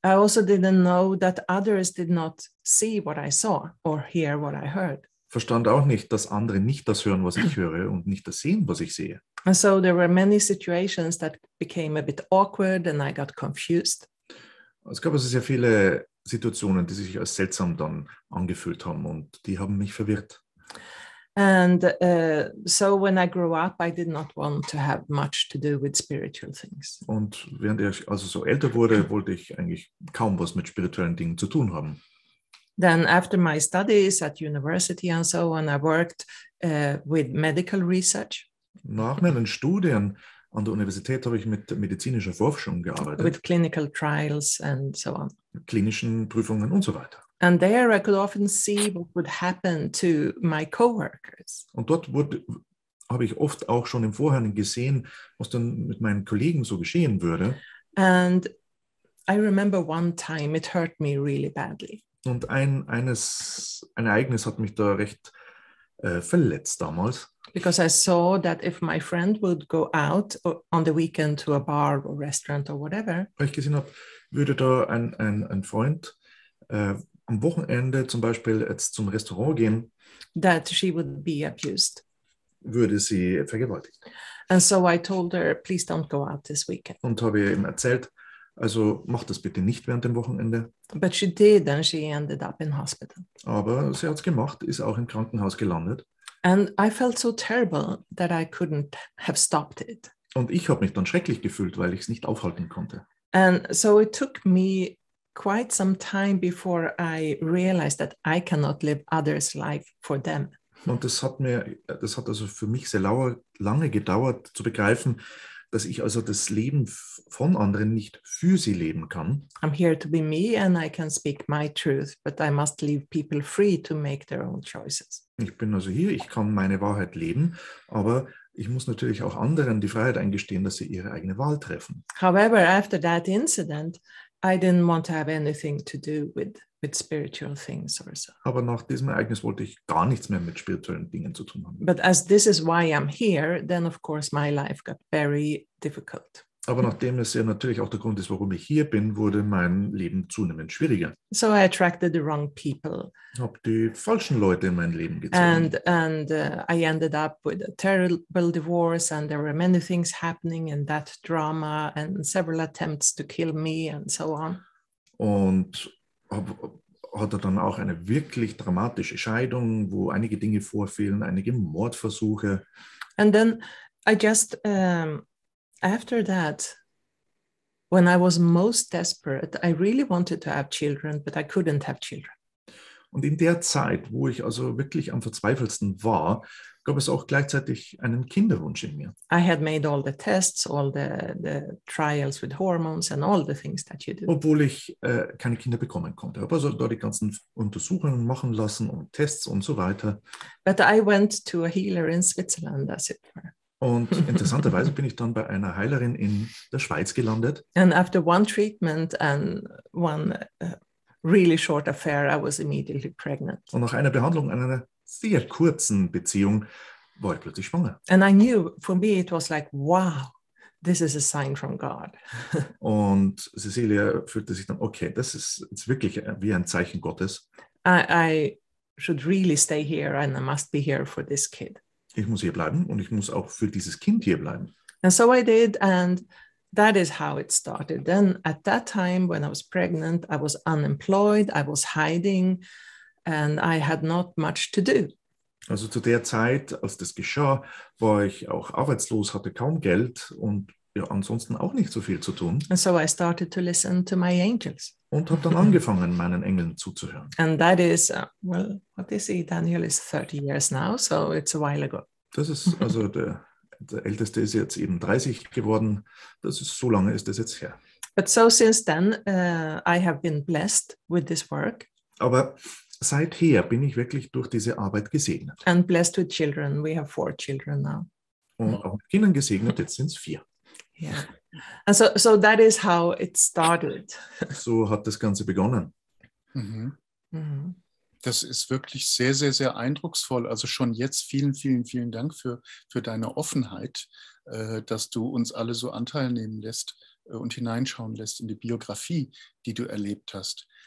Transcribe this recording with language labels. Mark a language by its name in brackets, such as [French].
[English] I also didn't know that others did not see what I saw or hear what I heard. [German] Verstand auch nicht, dass andere nicht das hören, was ich höre und nicht das sehen, was ich sehe. [English] And so there were many situations that became a bit awkward and I got confused. [German] Es gab also sehr viele Situationen, die sich als seltsam dann angefühlt haben und die haben mich verwirrt. [English] And so when I grew up, I did not want to have much to do with spiritual things. [German] Und während ich also so älter wurde, wollte ich eigentlich kaum was mit spirituellen Dingen zu tun haben. [English] Then after my studies at university and so on, I worked with medical research. [German] Nach meinen Studien an der Universität habe ich mit medizinischer Forschung gearbeitet. [English] With clinical trials and so on. [German] Klinischen Prüfungen und so weiter. [English] And there I could often see what would happen to my coworkers. [German] Und dort habe ich oft auch schon im Vorhinein gesehen, was dann mit meinen Kollegen so geschehen würde. [English] And I remember one time it hurt me really badly. [German] Und ein Ereignis hat mich da recht verletzt damals. [English] Because I saw that if my friend would go out on the weekend to a bar or restaurant or whatever. [German] Weil ich gesehen habe, würde da ein Freund am Wochenende zum Beispiel jetzt zum Restaurant gehen. [English] That she would be abused. [German] Würde sie vergewaltigt. [English] And so I told her, please don't go out this weekend. [German] Und habe ihr eben erzählt, also mach das bitte nicht während dem Wochenende. [English] But she did and she ended up in hospital. [German] Aber sie hat es gemacht, ist auch im Krankenhaus gelandet. [English] And I felt so terrible that I couldn't have stopped it. [German] Und ich habe mich dann schrecklich gefühlt, weil ich es nicht aufhalten konnte. [English] And so it took me quite some time before I realized that I cannot live others' life for them. [German] Und das hat also für mich sehr lange gedauert zu begreifen, dass ich also das Leben von anderen nicht für sie leben kann. [English] I'm here to be me and I can speak my truth, but I must leave people free to make their own choices. [German] Ich bin also hier, ich kann meine Wahrheit leben, aber ich muss natürlich auch anderen die Freiheit eingestehen, dass sie ihre eigene Wahl treffen. [English] However, after that incident, I didn't want to have anything to do with spiritual things or so. [German] Aber nach diesem Ereignis wollte ich gar nichts mehr mit spirituellen Dingen zu tun haben. [English] But as this is why I'm here, then of course my life got very difficult. [German] Aber nachdem es ja natürlich auch der Grund ist, warum ich hier bin, wurde mein Leben zunehmend schwieriger. [English] So I attracted the wrong people. [German] Habe die falschen Leute in mein Leben gezogen. [English] And I ended up with a terrible divorce and there were many things happening in that drama and several attempts to kill me and so on. [German] Und hatte dann auch eine wirklich dramatische Scheidung, wo einige Dinge vorfielen, einige Mordversuche. [English] And then I just after that, when I was most desperate, I really wanted to have children, but I couldn't have children. [German] Und in der Zeit, wo ich also wirklich am verzweifelsten war, gab es auch gleichzeitig einen Kinderwunsch in mir. [English] I had made all the tests, all the trials with hormones and all the things that you do. [German] Obwohl ich keine Kinder bekommen konnte. Ich habe also da die ganzen Untersuchungen machen lassen und Tests und so weiter. [English] But I went to a healer in Switzerland, as it were. [German] Und interessanterweise bin ich dann bei einer Heilerin in der Schweiz gelandet. [English] And after one treatment and one really short affair, I was immediately pregnant. [German] Und nach einer Behandlung in einer sehr kurzen Beziehung war ich plötzlich schwanger. [English] And I knew, for me it was like, wow, this is a sign from God. [German] Und Cecilia fühlte sich dann, okay, das ist jetzt wirklich wie ein Zeichen Gottes. [English] I should really stay here and I must be here for this kid. [German] Ich muss hier bleiben und ich muss auch für dieses Kind hier bleiben. [English] And so I did, and that is how it started. Then at that time, when I was pregnant, I was unemployed, I was hiding, and I had not much to do. [German] Also zu der Zeit, als das geschah, war ich auch arbeitslos, hatte kaum Geld und ja, ansonsten auch nicht so viel zu tun. [English] And so I started to listen to my angels. [German] Und habe dann angefangen, meinen Engeln zuzuhören. [English] And that is, well, what they say, Daniel is 30 years now, so it's a while ago. [German] Das ist, also der Älteste ist jetzt eben 30 geworden. Das ist, so lange ist das jetzt her. [English] But so since then, I have been blessed with this work. [German] Aber seither bin ich wirklich durch diese Arbeit gesegnet. [English] And blessed with children. We have 4 children now. [German] Und auch mit Kindern gesegnet, jetzt sind es 4. [English] Yeah. And so that is how it started. [German] So hat das Ganze begonnen. Das ist wirklich sehr, sehr, sehr eindrucksvoll. Also schon jetzt vielen, vielen, vielen Dank für deine Offenheit, dass du uns alle so Anteil nehmen lässt und hineinschauen lässt in die Biografie, die du erlebt hast.